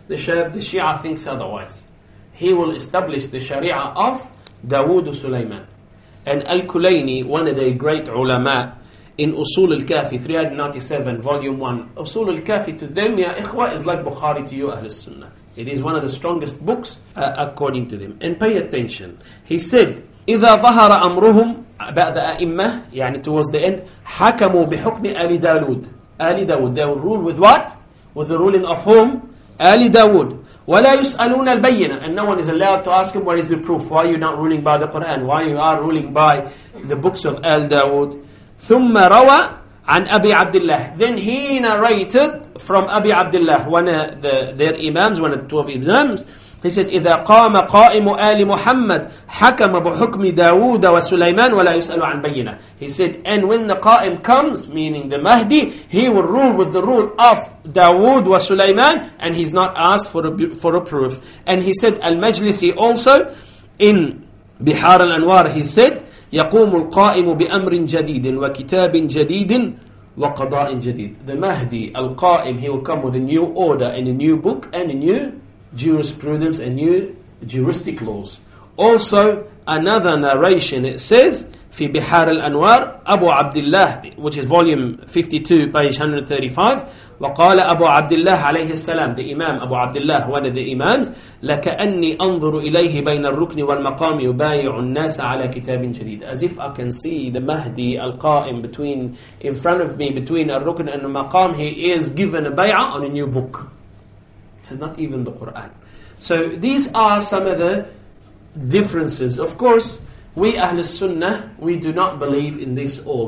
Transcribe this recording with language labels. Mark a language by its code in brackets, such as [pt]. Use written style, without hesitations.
[en] The Shia thinks otherwise. He will establish the Sharia of Dawood Sulaiman. And Al-Kulayni, one of the great ulama, in Usul al-Kafi, 397, volume 1. Usul al-Kafi to them, ya ikhwa, is like Bukhari to you, Ahlul Sunnah. It is one of the strongest books, according to them. And pay attention. [ar] He said, إِذَا ظَهَرَ أَمْرُهُمْ بَعْدَ أَئِمَّةِ, يعني [en] towards the end, [ar] حَكَمُوا بِحُكْمِ آلِ دَاوُدْ. [en] آلِ دَاوُدْ, they will rule with what? With the ruling of whom? آلِ دَاوُدْ. [ar] وَلَا يُسْأَلُونَ الْبَيِّنَةِ, [en] and no one is allowed to ask him, what is the proof? Why are you not ruling by the Quran? Why you are ruling by the books of آلِ دَاوُدْ? [ar] ثم روى عن أبي عبد الله. [en] Then he narrated from Abi Abdullah, one of their imams, one of the 12 imams. [ar] He said, إذا قام قائم آل محمد حكم بحكم داود وسليمان ولا يسأل عن بينة. [en] He said, and when the Qa'im comes, meaning the Mahdi, he will rule with the rule of داود وسليمان, and he's not asked for a proof. And he said, [ar] المجلسي also, in بحار الأنوار, he said, يقوم القائم بأمر جديد وكتاب جديد وقضاء جديد. [en] The Mahdi, القائم, he will come with a new order and a new book and a new jurisprudence and new juristic laws. [ar] Also, another narration, it says, في بحار الأنوار, أبو عبد الله, which is volume 52, page 135, وقال أبو عبد الله عليه السلام, the Imam, أبو عبد الله, [en] one of the Imams, [ar] لكأني أنظر إليه بين الركن والمقام يبايع الناس على كتاب جديد. [en] As if I can see the Mahdi, القائم, between, in front of me, between الركن and the maqam, he is given a bay'ah on a new book. So not even the Qur'an. So these are some of the differences. Of course, we Ahlul Sunnah, we do not believe in this all.